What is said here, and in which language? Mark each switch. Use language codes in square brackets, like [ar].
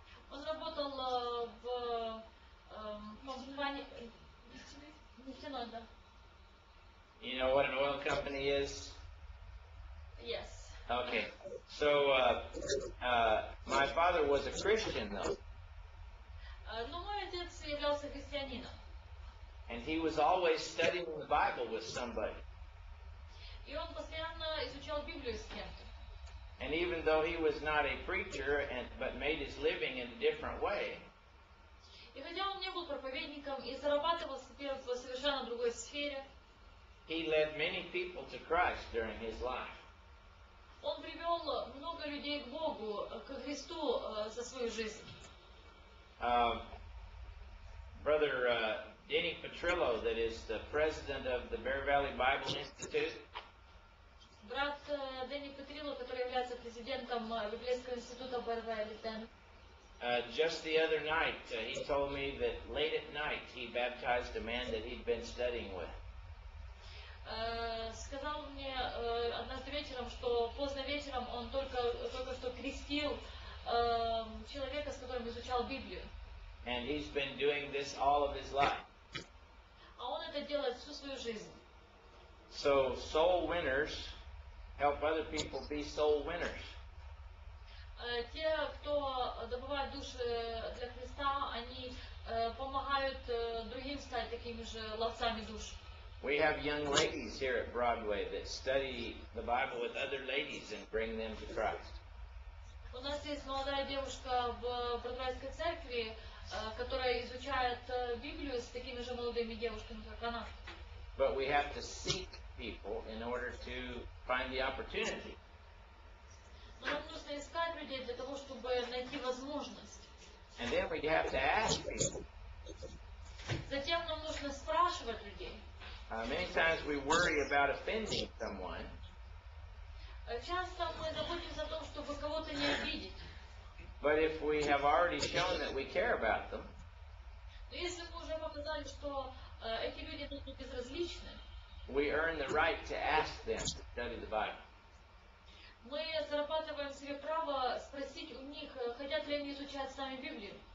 [ru] Он работал в компании нефтяной, да. [en] You know what an oil company is? Yes. Okay. So, my father was a Christian, though. [ru] Но мой отец являлся христианином. [en] And he was always studying the Bible with somebody. [ru] И он постоянно изучал Библию с кем-то. [en] And even though he was not a preacher, and but made his living in a different way. [ru] И хотя он не был проповедником и зарабатывал себе в совершенно другой сфере. [en] He led many people to Christ during his life. [ru] Он привел много людей к Богу, к Христу за свою жизнь. [en] Brother Denny Petrillo, that is the president of the Bear Valley Bible Institute. [ru] Брат Денни Петрило, который является президентом Библейского института Bear Valley. [en] Just the other night, he told me that late at night he baptized a man that he'd been studying with. [ru] Сказал мне однажды вечером, что поздно вечером он только что крестил человека, с которым изучал Библию. [en] And he's been doing this all of his life. [ru] А он это делает всю свою жизнь. [en] So soul winners help other people be soul winners. [ru] Те, кто добывает души для Христа, они помогают другим стать такими же ловцами душ. [en] We have young ladies here at Broadway that study the Bible with other ladies and bring them to Christ. [ru] У нас есть молодая девушка в Бродвайской церкви, которая изучает Библию с такими же молодыми девушками, как она. [en] But we have to seek people in order to find the opportunity. [ru] Но нам нужно искать людей для того, чтобы найти возможность. [en] And then we have to ask people. [ru] Затем нам нужно спрашивать людей. [en] Many times we worry about offending someone. [ru] Часто мы заботимся о том, чтобы кого-то не обидеть. [en] But if we have already shown that we care about them, we earn the right to ask them to study the Bible.